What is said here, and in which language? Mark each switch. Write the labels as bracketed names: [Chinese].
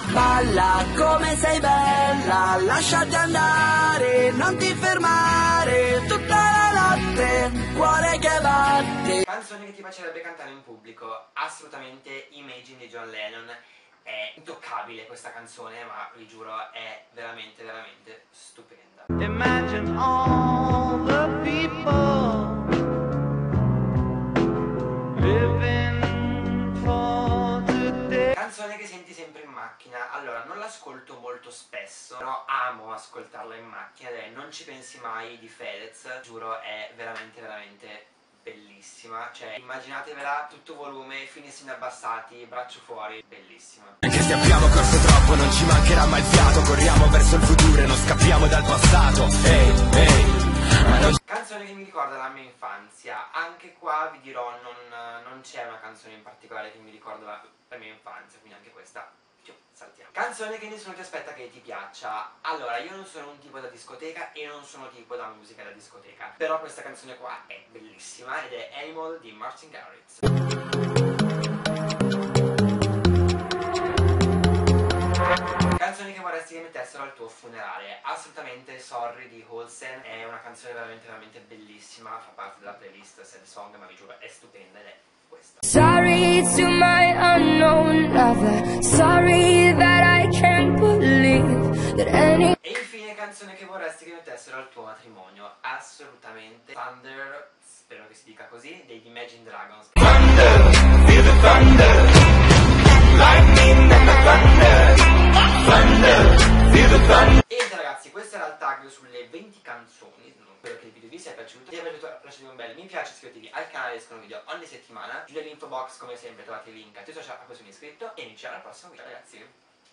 [Italian] Balla come sei bella, lasciati andare, non ti fermare, tutta la notte, cuore che batte. Canzone che ti piacerebbe cantare in pubblico? Assolutamente Imagine di John Lennon. è intoccabile questa canzone, ma vi giuro è veramente veramente stupenda. [English] Imagine all the people living for today. [Italian] Canzone che senti sempre in macchina. Allora, non l'ascolto molto spesso, però amo ascoltarla in macchina, ed è Non ci pensi mai di Fedez. Giuro è veramente veramente bellissima, cioè immaginatevela tutto volume, finestrini abbassati, braccio fuori, bellissima. Anche se abbiamo corso troppo non ci mancherà mai fiato, corriamo verso il futuro e non scappiamo dal passato. Canzone che mi ricorda la mia infanzia, anche qua vi dirò non c'è una canzone in particolare che mi ricorda la mia infanzia, quindi anche questa saltiamo. Canzone che nessuno ti aspetta che ti piaccia. Allora, io non sono un tipo da discoteca e non sono tipo da musica da discoteca, però questa canzone qua è bellissima ed è Animal di Martin Garrix. Canzoni che vorresti che mettessero al tuo funerale. Assolutamente Sorry di Holsen, è una canzone veramente veramente bellissima, fa parte della playlist Sad Song, ma vi giuro è stupenda ed è questa. [English] Sorry to my unknown lover, sorry that I can't believe that any... [Italian] E infine, canzone che vorresti che mettessero al tuo matrimonio. Assolutamente Thunder, spero che si dica così, degli Imagine Dragons. [English] Thunder, feel the thunder, lightning and the thunder. [Italian] E ragazzi, questo era il tag sulle 20 canzoni. Spero che il video vi sia piaciuto. Se vi è piaciuto lasciate un bel mi piace, iscrivetevi al canale, escono video ogni settimana. Giù nell'info box come sempre trovate il link a tutti i social a cui sono iscritto. E iniziamo al prossimo video, ragazzi.